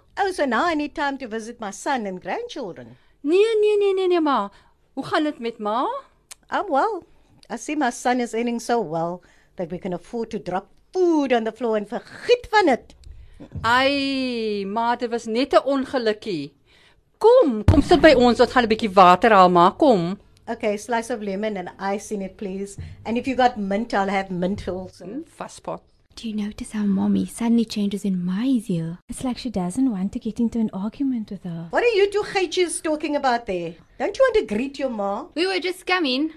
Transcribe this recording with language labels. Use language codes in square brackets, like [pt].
[en] Oh, so now I need time to visit my son and grandchildren. [af] Nee, Ma. Hoe gaan het met Ma? [en] I'm well. I see my son is eating so well that we can afford to drop food on the floor and [af] vergiet van het. Ai, Ma, dit was net 'n ongelukkie. Kom sit by ons, ons gaan 'n bietjie water haal, Ma, kom. [en] Okay, slice of lemon and ice in it, please. And if you got mint, I'll have mint also. Fasspot. Do you notice how mommy suddenly changes in my ear? It's like she doesn't want to get into an argument with her. What are you two geitjes talking about there? Don't you want to greet your ma? We were just coming.